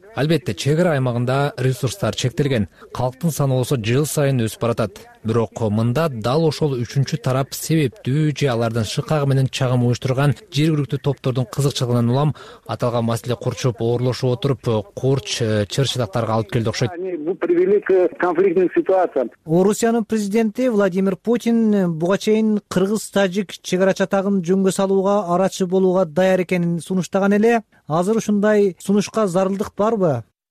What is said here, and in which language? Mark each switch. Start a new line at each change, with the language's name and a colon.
Kyrgyz: Албетте, чек ара аймагында ресурстар чектелген. Калктын саны болсо жыл сайын өсүп баратат. Бирок мында дал ошол үчүнчү тарап себептүү же алардын шыкагы менен чагым уюштурган жергиликтүү топтордун кызыкчылыгынан улам аталган маселе курчуп оорлошуп отуруп курч чыр чатактарга алып келди окшойт.
Russian: Они привели к конфликтным ситуациям.
Kyrgyz: Орусиянын президенти Владимир Путин буга чейин кыргыз тажик чек ара чатагын жөнгө салууга арачы болууга даяр экенин сунуштаган эле, азыр ушундай сунушка зарылдык барбы?